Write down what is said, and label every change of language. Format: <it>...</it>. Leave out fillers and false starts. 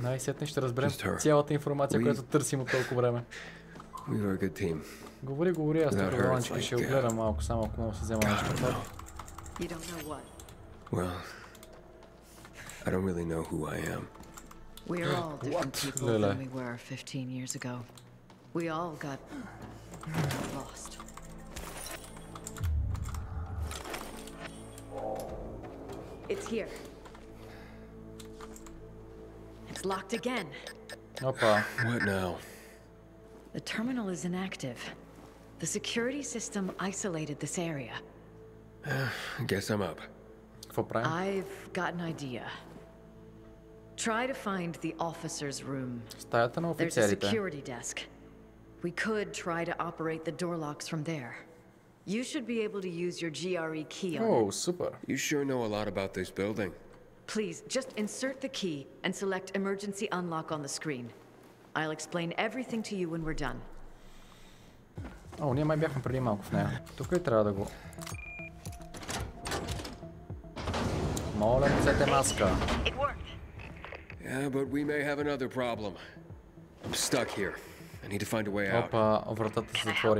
<bg>Най-сетне ще разберем цялата информация, която търсим от толкова време.</bg> <en>We were a good team.</en> <bg>Говори, говори, аз тук Вероничка ще огледам малко, само ако мога да се взема нещо.</bg> <en>You don't know what. Well, I don't really know who I am. We are all different people than we were 15 years ago. We all got lost. It's here. It's locked again. Opa. What now? The terminal is inactive. The security system isolated this area. Guess I'm up. For prime? I've got an idea. Try to find the officer's room.</en> <bg>Стаята на офицерите.</bg> <en>There's a security desk. We could try to operate the door locks from there. You should be able to use your GRE key on it. Oh, super. You sure know a lot about this building. Please, just insert the key and select emergency unlock on the screen. I'll explain everything to you when we're done.</en> <bg>О, ние май бяхме преди малко в нея. Тук ли трябва да го... Моля, взете маска.</bg> <en>It worked. Yeah, but we may have another problem. I'm stuck here. I need to find a way out.</en> <bg>Опа, вратата се затвори.</bg>